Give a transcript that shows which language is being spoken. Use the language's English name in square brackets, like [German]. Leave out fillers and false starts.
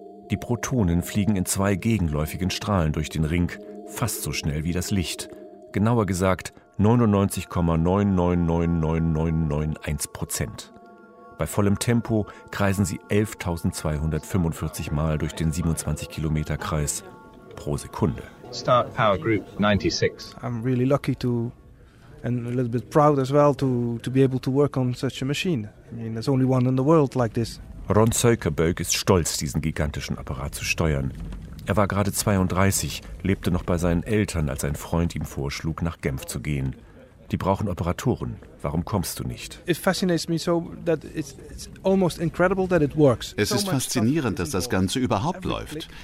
[German] Die Protonen fliegen in 2 gegenläufigen Strahlen durch den Ring, fast so schnell wie das Licht. Genauer gesagt 99,999999,1%. Bei vollem Tempo kreisen sie 11.245 Mal durch den 27 Kilometer Kreis pro Sekunde. [English] Start Power Group 96. I'm really lucky to and a little bit proud as well to be able to work on such a machine. I mean, there's only one in the world like this. [German] Ron Suikerbuik ist stolz, diesen gigantischen Apparat zu steuern. Er war gerade 32, lebte noch bei seinen Eltern, als ein Freund ihm vorschlug, nach Genf zu gehen. Die brauchen Operatoren. Warum kommst du nicht? Es ist faszinierend, dass das Ganze überhaupt läuft.